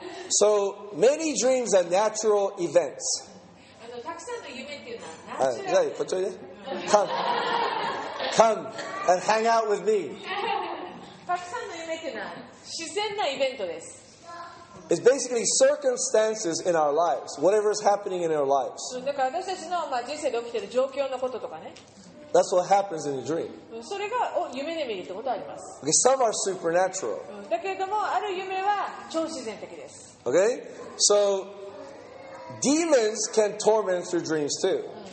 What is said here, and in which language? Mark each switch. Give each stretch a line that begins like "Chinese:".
English: So many dreams are natural events。
Japanese: たくさんの夢っていうのは、はい、こっちおいで。
English: Come, come and hang out with me。
Japanese: たくさんの夢っていうのは自然なイベントです。
English: It's basically circumstances in our lives, whatever is happening in our lives.
Japanese: だから私たちの、まあ、人生で起きている状況のこととかね。
English: That's what happens in a dream.
Japanese: それが夢で見るってことあります。
English: Okay, some are supernatural.
Japanese: だけれどもある夢は超自然的です。
English: Okay, so demons can torment through dreams too.